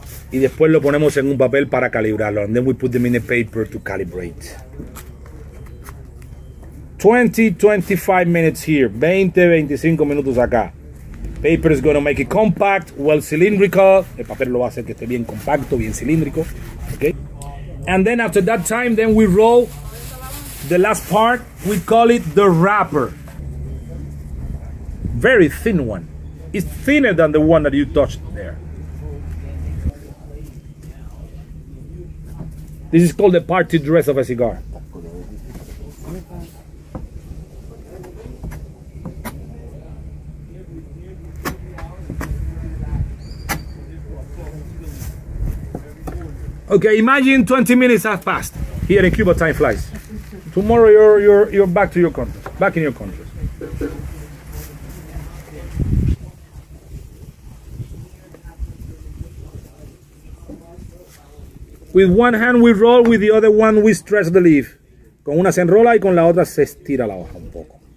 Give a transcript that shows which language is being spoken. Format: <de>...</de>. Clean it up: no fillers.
<es>Y después lo ponemos en un papel para calibrarlo.</es> <en>And then we put them in a paper to calibrate. 20-25 minutes here.</en> <es>20-25 minutos acá.</es> <en>Paper is going to make it compact, well cylindrical.</en> <es>El papel lo va a hacer que esté bien compacto, bien cilíndrico.</es> <en>Okay. And then after that time, then we roll the last part. We call it the wrapper. Very thin one. It's thinner than the one that you touched there. This is called the party dress of a cigar. Okay, imagine 20 minutes have passed. Here in Cuba, time flies. Tomorrow you're back to your country. Back in your country. With one hand we roll, with the other one we stretch the leaf.</en> <es>Con una se enrola y con la otra se estira la hoja un poco.</es>